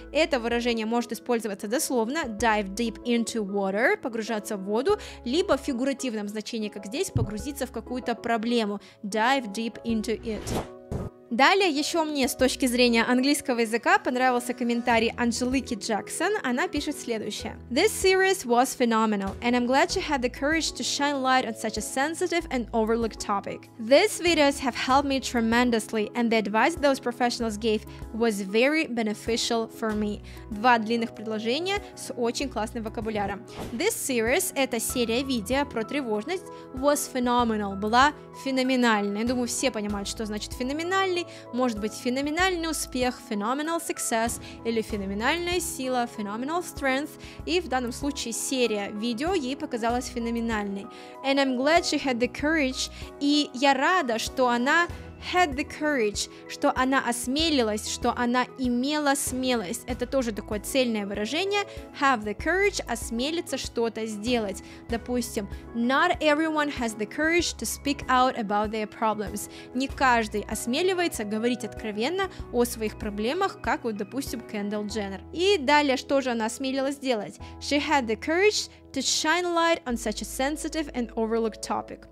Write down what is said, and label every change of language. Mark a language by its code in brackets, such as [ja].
[ru] Это выражение может использоваться дословно, [en] dive deep into water, [ru] погружаться в воду, либо в фигуративном значении, как здесь, погрузиться в какую-то проблему, [en] dive deep into it. [ru] Далее еще мне с точки зрения английского языка понравился комментарий Анжелики Джексон. Она пишет следующее. [en] This series was phenomenal, and I'm glad she had the courage to shine light on such a sensitive and overlooked topic. These videos have helped me tremendously, and the advice those professionals gave was very beneficial for me. [ru] Два длинных предложения с очень классным вокабуляром. [en] This series, [ru] это серия видео про тревожность, [en] was phenomenal, [ru] была феноменальной. Думаю, все понимают, что значит феноменальный. Может быть, феноменальный успех, [en] phenomenal success, [ru] или феноменальная сила, [en] phenomenal strength. [ru] И в данном случае серия видео ей показалась феноменальной. [en] And I'm glad she had the courage. [ru] И я рада, что она [en] had the courage, [ru] что она осмелилась, что она имела смелость. Это тоже такое цельное выражение. [en] Have the courage, [ru] осмелиться что-то сделать. Допустим, [en] not everyone has the courage to speak out about their problems. [ru] Не каждый осмеливается говорить откровенно о своих проблемах, как вот, допустим, Кендалл Дженнер. И далее, что же она осмелилась сделать? [en] She had the courage to shine light on such a sensitive and overlooked topic.